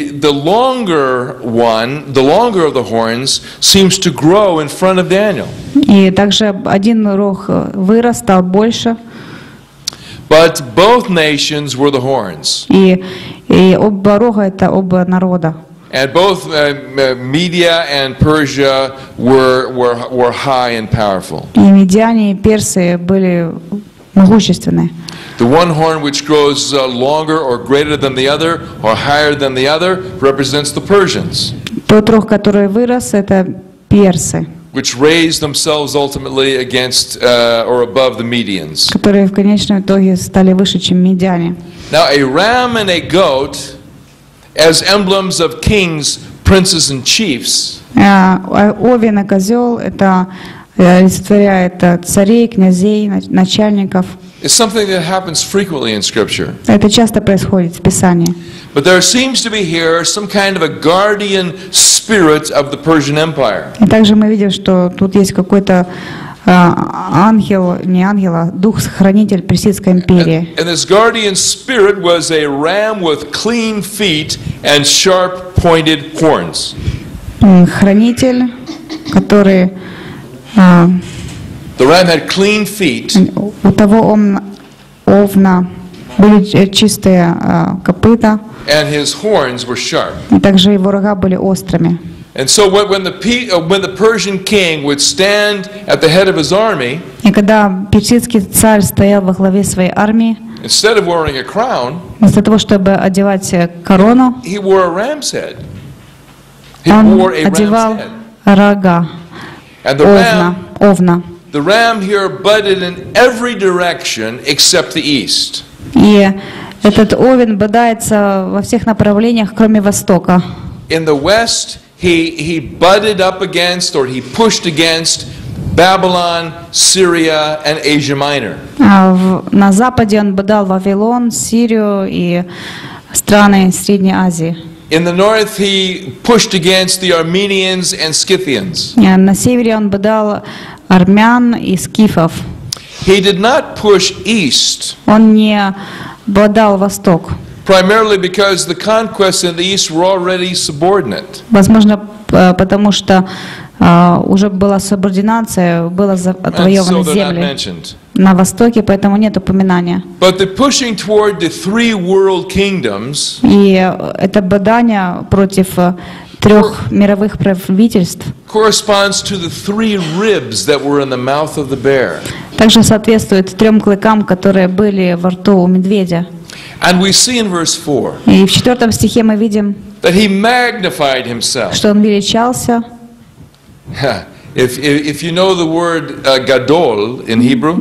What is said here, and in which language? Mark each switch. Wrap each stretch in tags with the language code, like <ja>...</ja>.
<en>The longer of the horns seems to grow in front of Daniel.</en> <ru>И также один рог вырос, стал больше.</ru> <en>But both nations were the horns.</en> <ru>И оба рога — это оба народа.</ru> <en>And both Media and Persia were high and powerful.</en> <ru>И Медиане и Персы были могущественны.</ru> <en>The one horn which grows longer or greater than the other or higher than the other represents the Persians.</en> <ru>Тот рог, который вырос, это персы.</ru> <en>Which raised themselves ultimately against or above the Medians.</en> <ru>Которые в конечном итоге стали выше, чем Медиане.</ru> <en>Now a ram and a goat as emblems of kings, princes and chiefs.</en> <ru>Овен и козёл это олицетворяет царей, князей, начальников.</ru> <en>It's something that happens frequently in scripture.</en> <ru>Это часто происходит в Писании.</ru> <en>But there seems to be here some kind of a guardian spirit of the Persian Empire.</en> <ru>И также мы видим, что тут есть какой-то ангел, не ангел, а дух-хранитель Персидской империи.</ru> <en>And this guardian spirit was a ram with clean feet and sharp pointed horns.</en> <ru>Хранитель, который</ru> <en>The ram had clean feet.</en> <ru>У того овна были чистые копыта.</ru> <en>And his horns were sharp.</en> <ru>И также его рога были острыми.</ru> <en>And so when the Persian king would stand at the head of his army,</en> <ru>и когда персидский царь стоял во главе своей армии,</ru> <en>instead of wearing a crown,</en> <ru>вместо того чтобы одевать корону,</ru> <en>he wore a ram's head.</en> <ru>Он одевал рога.</ru> <en>And the ram,</en> <ru>овна.</ru> <en>The ram here butted in every direction except the east.</en> <ru>И этот овен бодается во всех направлениях, кроме востока.</ru> <en>In the west. He butted up against, or he pushed against, Babylon, Syria, and Asia Minor.</en> <ru>На западе он бодал Вавилон, Сирию и страны Средней Азии.</ru> <en>In the north, he pushed against the Armenians and Scythians.</en> <ru>На севере он бодал армян и скифов.</ru> <en>He did not push east.</en> <ru>Он не бодал восток.</ru> <en>Primarily because the conquests in the east were already subordinate.</en> <ru>Возможно, потому что уже была субординация, было отвоеваны земли на востоке, поэтому нет упоминания.</ru> <en>But the pushing toward the three world kingdoms.</en> <ru>И это бодание против трех мировых правительств.</ru> <en>Corresponds to the three ribs that were in the mouth of the bear.</en> <ru>Также соответствует трем клыкам, которые были во рту у медведя.</ru> <en>And we see in verse 4.</en> <ru>И в четвертом стихе мы видим.</ru> <en>That he magnified himself.</en> <ru>Что он величался.</ru> <en>If you know the word gadol in Hebrew.</en>